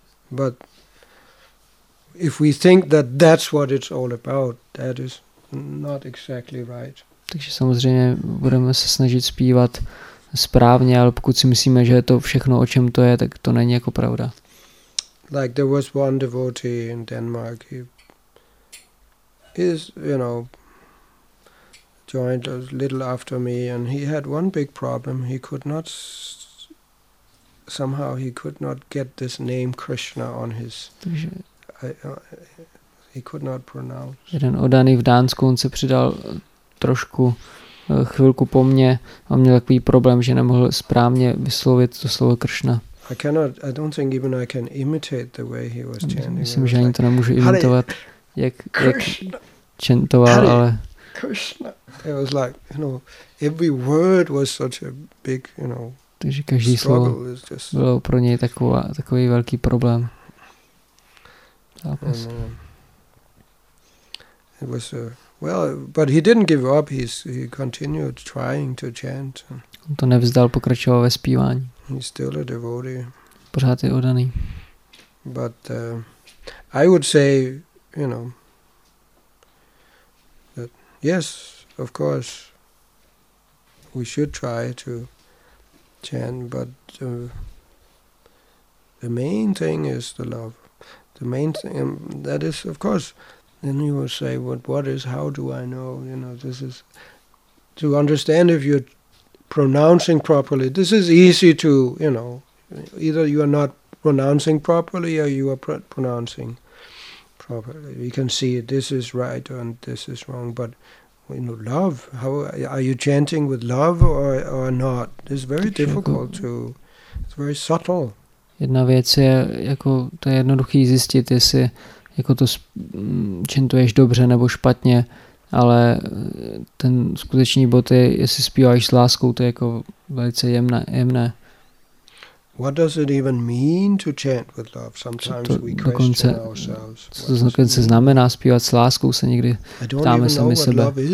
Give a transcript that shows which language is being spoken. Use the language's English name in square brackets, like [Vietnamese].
[English] But if we think that that's what it's all about, that is not exactly right. [Czech] Takže samozřejmě budeme se snažit zpívat správně, ale pokud si myslíme, že je to všechno, o čem to je, tak to není jako pravda. [English] Like there was one devotee in Denmark, he joined a little after me, and he had one big problem. He could not get this name Krishna on his. He could not pronounce. [Czech] Jeden odaný v Dánsku, on se přidal trošku chvilku po mně a měl takový problém, že nemohl správně vyslovit to slovo Krishna. [English] I don't think even I can imitate the way he was chanting. [Czech] Myslím, že ani to nemůžu imitovat, jak chantoval, ale [English] Krishna. It was like, every word was such a big, [Czech] takže každý slovo bylo pro něj takový velký problém. Zápas. [English] It was a but he didn't give up. He continued trying to chant. [Czech] On to nevzdal, pokračoval ve zpívání. [English] He's still a devotee. [Czech] Pořád je oddaný. [English] But I would say, that yes, of course, we should try to chant. But the main thing is the love. The main thing that is, of course. Then you will say, what is, how do I know, this is, to understand if you're pronouncing properly, this is easy to, either you are not pronouncing properly or you are pronouncing properly. You can see this is right and this is wrong, but, love, how are you chanting with love or not? It's very difficult to, it's very subtle. [Czech] Jedna věc je, to je jednoduchý zjistit, jestli to čentuješ dobře nebo špatně, ale ten skutečný bod je, jestli zpíváš s láskou, to je velice jemné. [English] What does it even mean to chant with love? Sometimes we question ourselves. [Czech] Co to dokonce znamená zpívat s láskou, se někdy ptáme sami sebe.